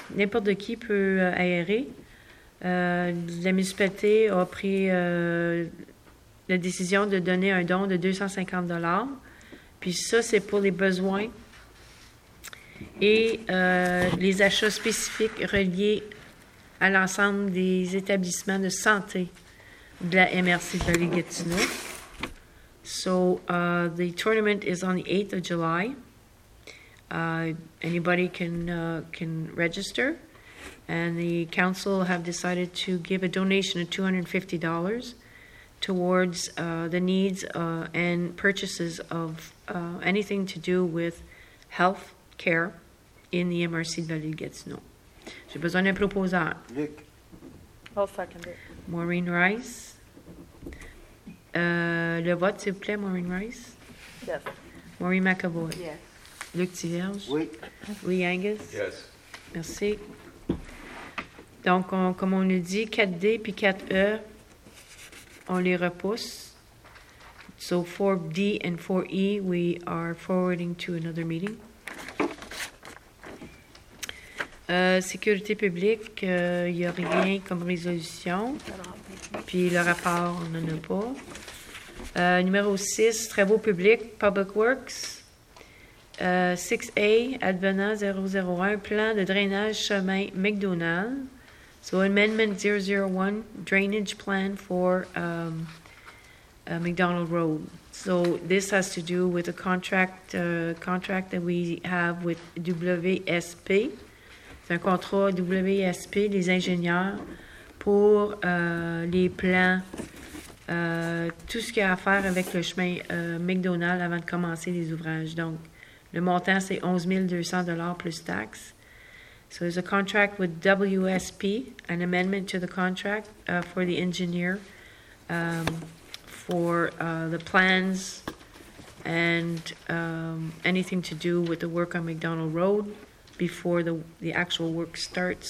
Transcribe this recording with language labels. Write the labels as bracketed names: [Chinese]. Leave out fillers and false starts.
[French] N'importe qui peut aérer. La municipalité a pris la décision de donner un don de 250 $. Puis ça, c'est pour les besoins et les achats spécifiques reliés à l'ensemble des établissements de santé de la MRC de Vallée-Gatineau. [English] So, the tournament is on the 8th of July. Anybody can register. And the council have decided to give a donation of $250 towards the needs and purchases of anything to do with health care in the MRC de Vallée-Gatineau. [French] J'ai besoin d'un proposeur. Luc. [English] I'll second it. [French] Maureen Rice. Le vote, s'il vous plaît, Maureen Rice. [English] Yes. Maureen McAvoy. Yes. Luc Thivierge. [French] Oui. Lee Angus. [English] Yes. [French] Merci. Donc, on, comme on le dit, 4D puis 4E, on les repousse. [English] So, 4D and 4E, we are forwarding to another meeting. [French] Sécurité publique, il n'y a rien comme résolution. Puis le rapport, on n'en a pas. Numéro 6, travaux publics, [English] Public Works. [French] 6A, Advenant 001, plan de drainage chemin McDonald. [English] So, Amendment 001, drainage plan for McDonald Road. So, this has to do with a contract that we have with WSP. [French] C'est un contrat WSP, les ingénieurs, pour les plans, tout ce qui a à faire avec le chemin McDonald avant de commencer les ouvrages. Donc, le montant, c'est $11,200 plus taxes. [English] So there's a contract with WSP, an amendment to the contract for the engineer for the plans and anything to do with the work on McDonald Road before the actual work starts.